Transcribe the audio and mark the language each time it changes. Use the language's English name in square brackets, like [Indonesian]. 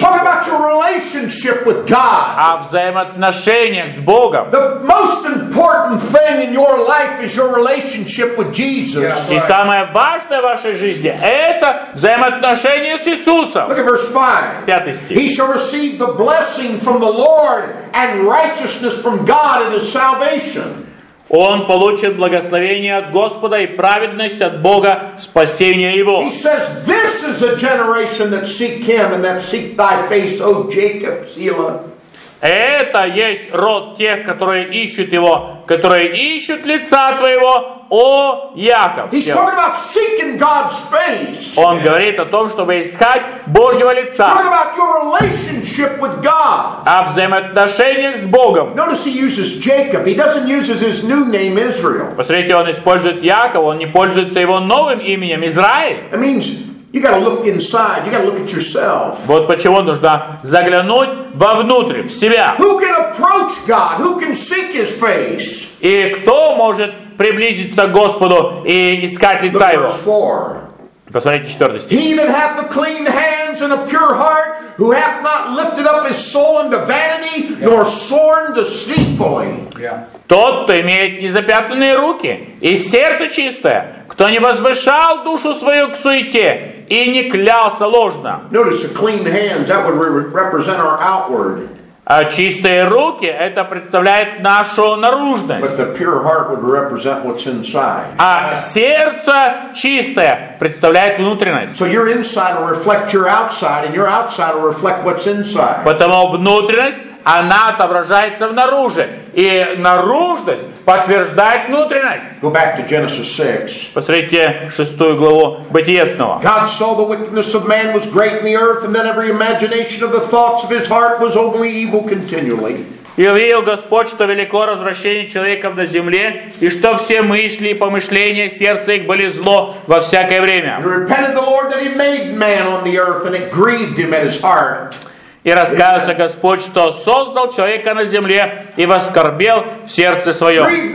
[English] Talk about your relationship with God. [Russian] О взаимоотношениях с Богом. [English] The most important thing in your life is your relationship with Jesus. [Russian] И самое важное в вашей жизни – это взаимоотношения с Иисусом. [English] Look at verse 5. [Russian] 5 стих. [English] He shall receive the blessing from the Lord and righteousness from God in his salvation. [Russian] Он получит благословение от Господа и праведность от Бога, спасение его. [English] He says, this is a generation that seek him and that seek thy face, O Jacob, Selah. [Russian] Это есть род тех, которые ищут его, которые ищут лица твоего, о Яков. [English] He's talking about seeking God's face. [Russian] Он говорит о том, чтобы искать Божьего лица. [English] Talking about your relationship with God. [Russian] О взаимоотношениях с Богом. [English] Notice he uses Jacob. He doesn't use his new name Israel. [Russian] Посмотрите, он использует Якова, он не пользуется его новым именем Израиль. [English] That means you got to look inside. You got to look at yourself. [Russian] Вот почему нужно заглянуть вовнутрь, в себя. [English] Who can approach God? Who can seek his face? [Russian] И кто может приблизиться к Господу и искать лица его? Посмотрите 4 стих. [English] He that hath the clean hands and a pure heart, who hath not lifted up his soul unto vanity, nor sworn deceitfully. [Russian] Тот, кто имеет незапятнанные руки и сердце чистое, кто не возвышал душу свою к суете и не клялся ложно. [English] Notice the clean hands, that would represent our outward. [Russian] А чистые руки — это представляет нашу наружность. [English] But the pure heart would represent what's inside. [Russian] А сердце чистое представляет внутренность. [English] So your inside will reflect your outside, and your outside will reflect what's inside. [Russian] Потому внутренность, она отображается внаружи. И наружность подтверждает внутренность. [English] Go back to Genesis 6. [Russian] Посмотрите 6 главу Бытия снова. [English] God saw the wickedness of man was great in the earth, and that every imagination of the thoughts of his heart was only evil continually. [Russian] И увидел Господь, что велико развращение человеков на земле, и что все мысли и помышления сердца их были зло во всякое время. [English] And repented the Lord that he made man on the earth, and it grieved him at his heart. [Russian] И раскаялся Господь, что создал человека на земле и воскорбел в сердце своем.